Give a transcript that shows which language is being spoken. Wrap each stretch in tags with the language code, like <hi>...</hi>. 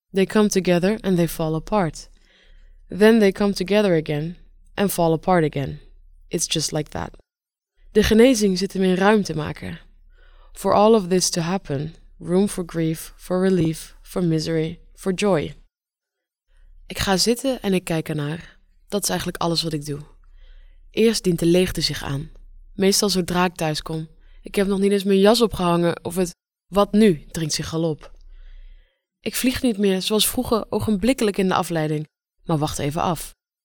<en>They come together and they fall apart. Then they come together again and fall apart again. It's just like that.</en> <nl>De genezing zit hem in ruimte maken.</nl> <en>For all of this to happen, room for grief, for relief, for misery, for joy.</en> <nl>Ik ga zitten en ik kijk ernaar. Dat is eigenlijk alles wat ik doe. Eerst dient de leegte zich aan. Meestal zodra ik thuis kom. Ik heb nog niet eens mijn jas opgehangen of het wat nu dringt zich al op. Ik vlieg niet meer zoals vroeger ogenblikkelijk in de afleiding, maar wacht even af.</nl>